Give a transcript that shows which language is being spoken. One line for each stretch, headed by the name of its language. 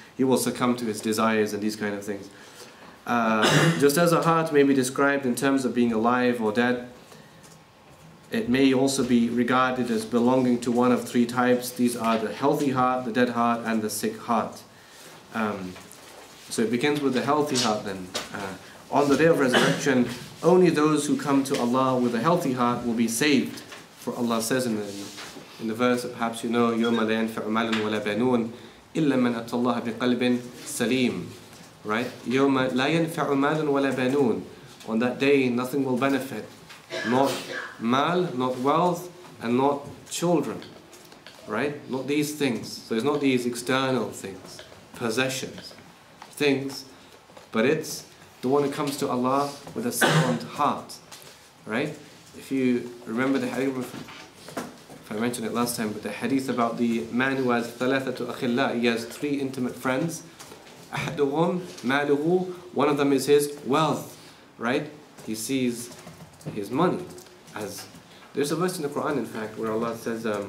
English: He will succumb to his desires and these kind of things. Just as a heart may be described in terms of being alive or dead, it may also be regarded as belonging to one of three types. These are the healthy heart, the dead heart, and the sick heart. So it begins with the healthy heart then. On the day of resurrection, only those who come to Allah with a healthy heart will be saved. For Allah says in the verse that perhaps you know,
Arabic: يَوْمَ لَا يَنْفَعُ مَالٌ وَلَا بَنُونَ إِلَّا مَنْ أَتَى اللَّهَ بِقَلْبٍ سَلِيمٍ. Right? يَوْمَ لَا يَنْفَعُ مَالٌ وَلَا بَنُونَ.
English: On that day, nothing will benefit. Not mal, not wealth, and not children. Right? Not these things. So it's not these external things, possessions, things. But it's the one who comes to Allah with a sound heart. Right? If you remember the hadith, if I mentioned it last time, but the hadith about the man who has
Arabic: ثَلَاثَةُ أَخِلَّا,
English: he has three intimate friends.
Arabic: أَحَدُهُمْ مَالُهُ,
English: one of them is his wealth, right? He sees his money as... There's a verse in the Quran, in fact, where Allah says,